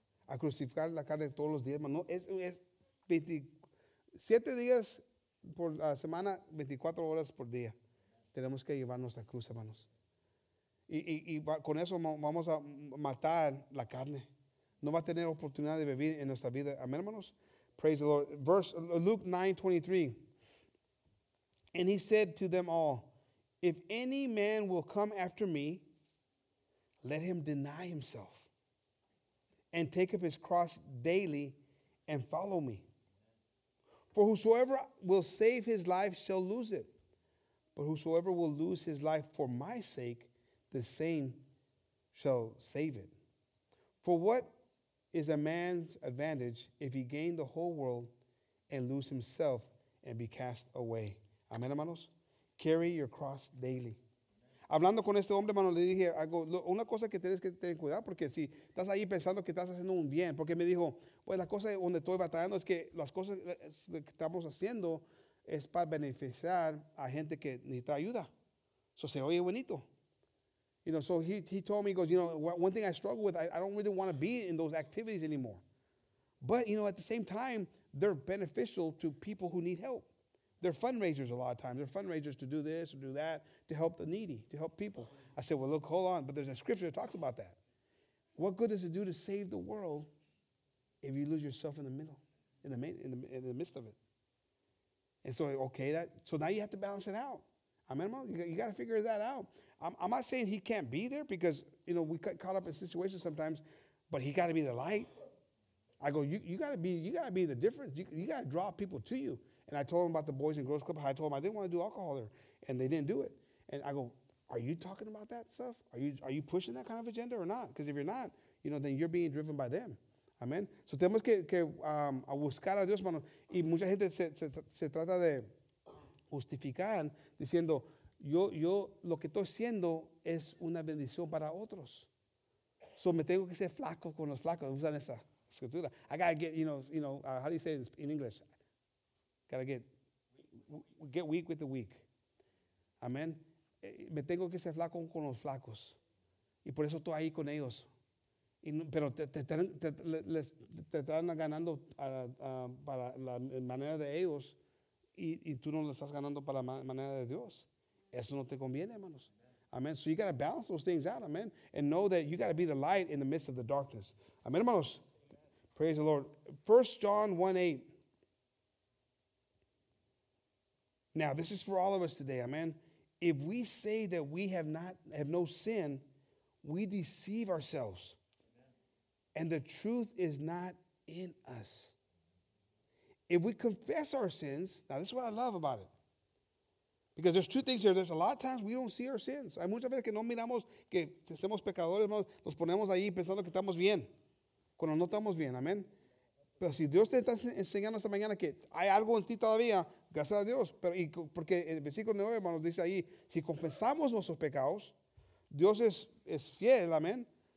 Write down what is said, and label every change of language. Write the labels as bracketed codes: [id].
[es] A crucificar la carne todos los días, hermano. Es 7 días por semana, 24 horas por día. Tenemos que llevar nuestra cruz, hermanos. Y con eso vamos a matar la carne. No va a tener oportunidad de vivir en nuestra vida. Amén, hermanos. [en] Praise the Lord. Verse Luke 9:23. And he said to them all, if any man will come after me, let him deny himself and take up his cross daily and follow me. For whosoever will save his life shall lose it. But whosoever will lose his life for my sake, the same shall save it. For what is a man's advantage if he gain the whole world and lose himself and be cast away? Amen, hermanos. Carry your cross daily. [es] Hablando con este hombre, hermano, le dije, una cosa que tienes que tener cuidado, porque si estás ahí pensando que estás haciendo un bien, porque me dijo, pues la cosa donde estoy batallando es que las cosas que estamos haciendo es para beneficiar a gente que necesita ayuda. So se oye bonito. [en] You know, so he told me, he goes, you know, one thing I struggle with, I don't really want to be in those activities anymore. But, you know, at the same time, they're beneficial to people who need help. They're fundraisers a lot of times. They're fundraisers to do this or do that, to help the needy, to help people. I said, well, look, hold on. But there's a scripture that talks about that. What good does it do to save the world if you lose yourself in the middle, in the midst of it? And so, okay, so now you have to balance it out. Amen, hermano? You got to figure that out. I'm not saying he can't be there because, you know, we get caught up in situations sometimes, but he got to be the light. I go, you got to be the difference. You got to draw people to you. And I told him about the Boys and Girls Club. I told him I didn't want to do alcohol there, and they didn't do it. And I go, are you talking about that stuff? Are you pushing that kind of agenda or not? Because if you're not, you know, then you're being driven by them. Amen. [es] So tenemos que a buscar a Dios, hermano. Y mucha gente se trata de justificar diciendo, yo lo que estoy haciendo es una bendición para otros. So me tengo que ser flaco con los flacos. Usan esa escritura. [en] I got to get, you know, how do you say it in English? Gotta get weak with the weak. Amen. [es] Me tengo que ser flaco con los flacos. Y por eso estoy ahí con ellos. Pero te están ganando para la manera de ellos y tú no lo estás ganando para la manera de Dios. Eso no te conviene, hermanos. Amen. [en] So you got to balance those things out, amen. And know that you got to be the light in the midst of the darkness. Amen, hermanos. Praise the Lord. 1 John 1:8. Now, this is for all of us today, amen. If we say that we have no sin, we deceive ourselves. And the truth is not in us. If we confess our sins, now this is what I love about it. Because there's two things here. There's a lot of times we don't see our sins. [es] Hay muchas veces que no miramos que si somos pecadores, nos ponemos ahí pensando que estamos bien. Cuando no estamos bien, amén. Pero si Dios te está enseñando esta mañana que hay algo en ti todavía, gracias a Dios. Pero y porque el versículo 9, hermanos, dice ahí, si confesamos nuestros pecados, Dios es fiel, amén.